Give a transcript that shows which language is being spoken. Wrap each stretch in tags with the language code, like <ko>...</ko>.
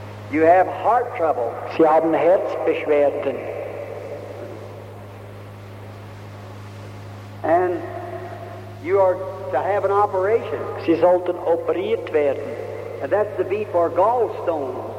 <en>You have heart trouble.</en> <de>Sie haben Herzbeschwerden.</de> <en>And you are to have an operation.</en> <de>Sie sollten operiert werden.</de> <en>And that's to be for gallstone.</en>